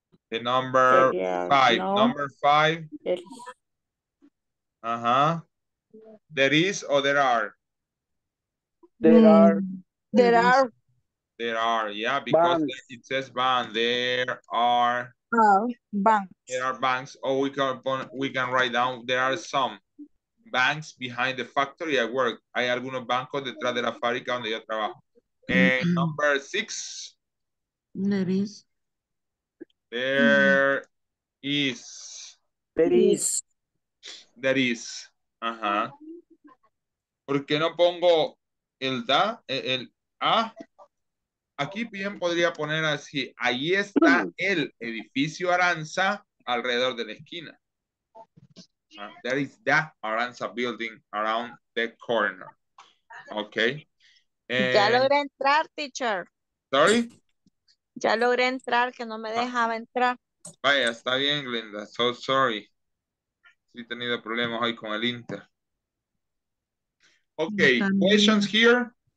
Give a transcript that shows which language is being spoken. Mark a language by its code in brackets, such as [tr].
[en] The number five. No. Number five. There is or there are? There are. There are There are, yeah, because banks. It says ban. There are banks. There are banks. Oh, we can write down there are some banks behind the factory at work. [es] Hay algunos bancos detrás de la fábrica donde yo trabajo. [en] And number six. There is. There is. There is. [es] There is. Ajá. ¿Por qué no pongo el a? Aquí bien podría poner así. Ahí está el edificio Aranza alrededor de la esquina. [en] There is the Aranza building around the corner. Okay. [es] Ya logré entrar, teacher. [en] Sorry. [es] Ya logré entrar, que no me dejaba entrar. Vaya, está bien, Glenda. So sorry. Sí, he tenido problemas hoy con el Inter. [en] Okay, questions here?